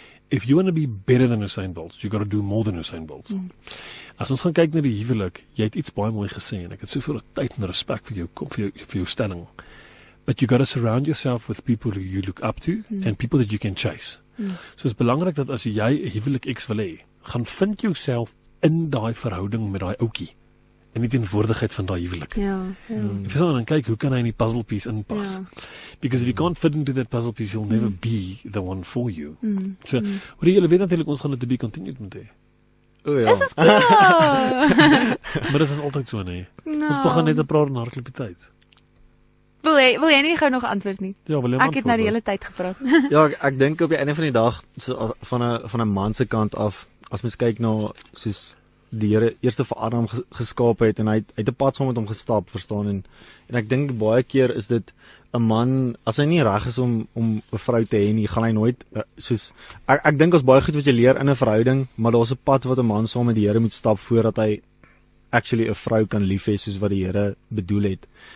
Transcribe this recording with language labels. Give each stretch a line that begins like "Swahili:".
English: If you want to be better than Usain Bolt, you got to do more than Usain Bolt.
Afrikaans: As ons gaan kyk na die huwelik, jy het iets baie mooi gesê, en ek het soveel tyd en respect vir jou stelling.
English: But you got to surround yourself with people who you look up to, and people that you can chase.
Afrikaans: So is belangrik dat as jy 'n huwelik X wil hê, gaan vind jouself in daai verhouding met daai ouetjie, en die teenwoordigheid van daai huwelik. Ja. Verstaan, en kyk, hoe kan hy in die puzzle piece inpas?
English: Because if you can't fit into that puzzle piece, he'll never be the one for you.
Afrikaans: So, hoor jy, julle weet natuurlijk, ons gaan het
English: to be continued
Afrikaans: met hy. O ja. Is cool! Maar dit is altyd so, nie. Ons begin net te praat en hardloop die tyd. Wil jy nie gou nog antwoord nie? Ja, wil jy antwoord? Ek het nou die hele tyd gepraat. Ja, ek dink op die einde van die dag, so, van 'n man se kant af, as mens kyk na soos die Here eerste vir Adam geskaap het en hy het 'n pad saam met hom gestap, verstaan en ek dink baie keer is dit 'n man, as hy nie reg is om 'n vrou te hê nie, gaan hy nooit soos ek dink ons baie goed wat jy leer in 'n verhouding, maar daar's 'n pad wat 'n man saam met die Here moet stap voordat hy actually 'n vrou kan lief hê soos wat die Here bedoel het.